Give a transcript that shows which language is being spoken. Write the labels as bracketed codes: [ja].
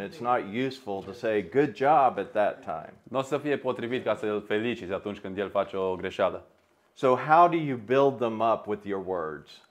[en] It's not useful to say good job at that time. [ro] Nu o să fie potrivit ca să-l felicizi atunci când el face o greșeală. [en] So how do you build them up with your words?